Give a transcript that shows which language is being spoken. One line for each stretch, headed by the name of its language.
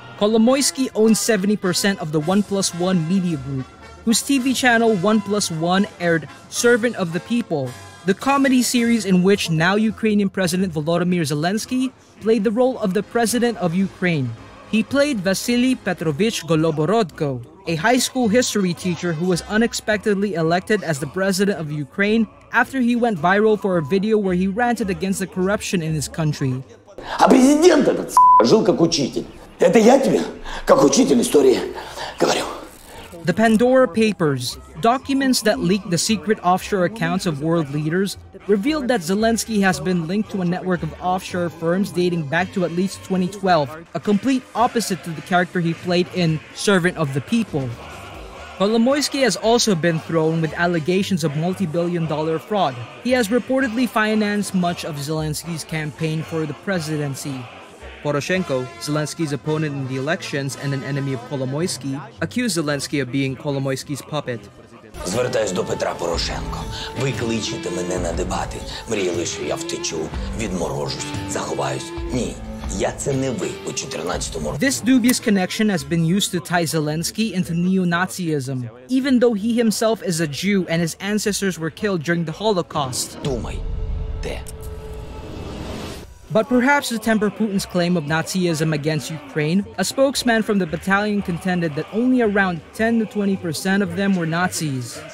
English: Kolomoisky owns 70% of the 1+1 media group, whose TV channel 1+1 aired Servant of the People, the comedy series in which now Ukrainian President Volodymyr Zelensky played the role of the President of Ukraine. He played Vasily Petrovich Goloborodko, a high school history teacher who was unexpectedly elected as the President of Ukraine after he went viral for a video where he ranted against the corruption in his country.
Russian: А президент этот жил как учитель. Это я тебе как учитель истории говорю.
English: The Pandora Papers, documents that leaked the secret offshore accounts of world leaders, revealed that Zelensky has been linked to a network of offshore firms dating back to at least 2012, a complete opposite to the character he played in Servant of the People. Kolomoisky has also been thrown with allegations of multi-billion dollar fraud. He has reportedly financed much of Zelensky's campaign for the presidency. Poroshenko, Zelensky's opponent in the elections and an enemy of Kolomoisky, accused Zelensky of being Kolomoisky's puppet.
Ukrainian: Звертаюсь до Петра Порошенко. Ви кличете мене на дебати. Мріяли, що я втечу, відморожусь, заховаюсь. Ні, я це не ви у 14-му.
English: This dubious connection has been used to tie Zelensky into neo-Nazism, even though he himself is a Jew and his ancestors were killed during the Holocaust.
Ukrainian: Думай, де?
English: But perhaps to temper Putin's claim of Nazism against Ukraine, a spokesman from the battalion contended that only around 10 to 20% of them were Nazis.